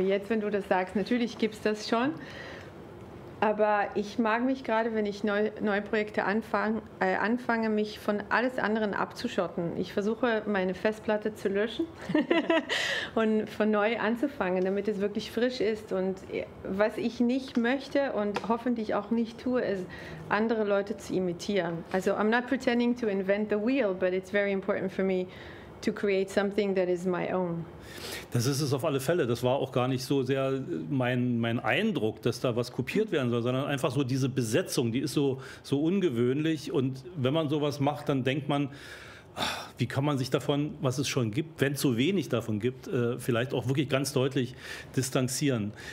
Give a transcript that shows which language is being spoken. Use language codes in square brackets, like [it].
[de] Jetzt, wenn du das sagst, natürlich gibt es das schon. Aber ich mag mich gerade, wenn ich neue Projekte anfange, mich von alles anderen abzuschotten. Ich versuche, meine Festplatte zu löschen und von neu anzufangen, damit es wirklich frisch ist. Und was ich nicht möchte und hoffentlich auch nicht tue, ist, andere Leute zu imitieren. [en] Also, I'm not pretending to invent the wheel, but it's very important for me to create something that is my own. [de] Das ist es auf alle Fälle. Das war auch gar nicht so sehr mein Eindruck, dass da was kopiert werden soll, sondern einfach so diese Besetzung, die ist so ungewöhnlich. Und wenn man sowas macht, dann denkt man, wie kann man sich davon, was es schon gibt, wenn es so wenig davon gibt, vielleicht auch wirklich ganz deutlich distanzieren.